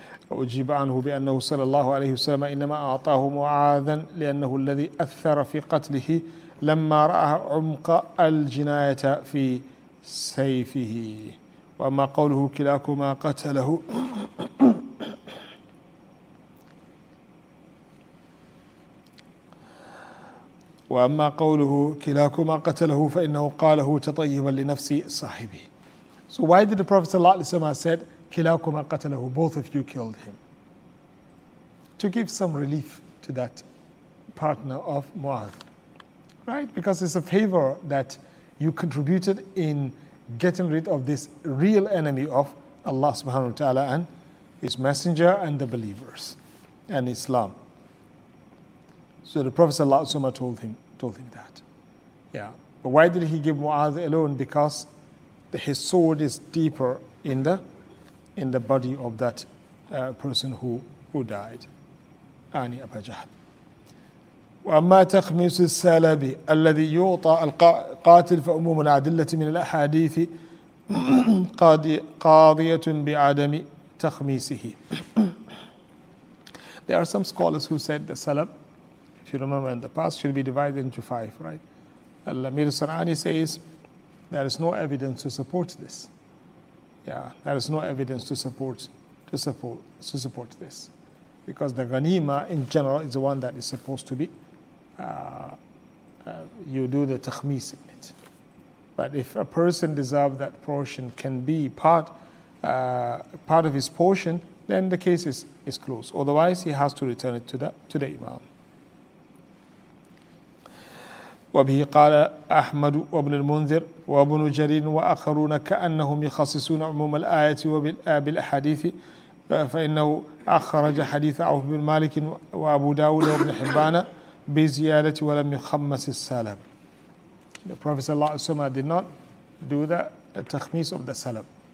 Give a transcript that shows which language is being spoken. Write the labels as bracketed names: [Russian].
[Arabic] أجيب عنه بأنه صلى الله عليه وسلم إنما أعطاه معاذا لأنه الذي أثر في قتله لما رأى عمق الجناية في سيفه. وما قوله كلاكما قتله وأما قوله كلاكما قتله فإنه قاله تطيبا لنفس صاحبه. [English] So why did the Prophet sallallahu alaihi wasallam said [Arabic] كلاكما قتله, [English] both of you killed him, to give some relief to that partner of Mu'adh, right? Because it's a favor that you contributed in getting rid of this real enemy of Allah subhanahu wa ta'ala and his messenger and the believers and Islam. So the Prophet sallallahu alaihi wasallam told him that. Yeah. But why did he give Mu'adh alone? Because his sword is deeper in the body of that person who died. Ani Abu Jahl. [Arabic] وأما تخميس السلبي الذي يعطى القاتل فأموم الأدلة من الأحاديث قاضية بعدم تخميسه. [English] There are some scholars who said the salab, if you remember in the past, should be divided into five, right? Al-Amir Sanani says there is no evidence to support this. Yeah, there is no evidence to support this, because the ghanima in general is the one that is supposed to be. You do the takhmis in it. But if a person deserves that portion, can be part part of his portion, then the case is closed. Otherwise, he has to return it to the Imam. [Arabic] وبه قال أحمد وابن المنذر وابن جرير وآخرون كأنهم يخصصون عموم الآية وبالأحاديث فإنه أخرج حديث عوف بن مالك وأبو داود وابن حبان بزيادة ولم يخمس السلم. [English] The Prophet صلى الله عليه وسلم did not do the تخميس of the سلم.